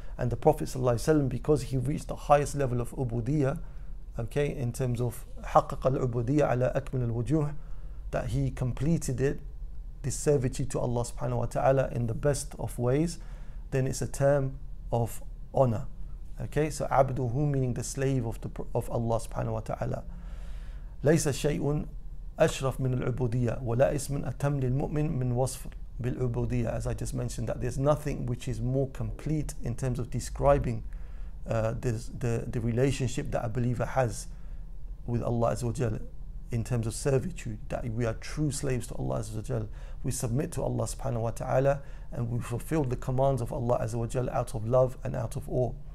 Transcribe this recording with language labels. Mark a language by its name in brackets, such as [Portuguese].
[English] And the Prophet Sallallahu Alaihi Wasallam, because he reached the highest level of ubudiyya, okay, in terms of [Arabic] حقق العبودية على أكمل الوجوه, [English] that he completed it, this servitude to Allah Subhanahu wa Ta'ala in the best of ways, then it's a term of honor. Okay, so عبده, meaning the slave of Allah Subhanahu wa Ta'ala. [Arabic] ليس شيء أشرف من العبودية ولا اسم أتم للمؤمن من وصف بالعبودية. [English] As I just mentioned, that there's nothing which is more complete in terms of describing the relationship that a believer has with Allah Azza wa Jal in terms of servitude, that we are true slaves to Allah Azza wa Jal. We submit to Allah Subhanahu wa Ta'ala and we fulfill the commands of Allah Azza wa Jal out of love and out of awe.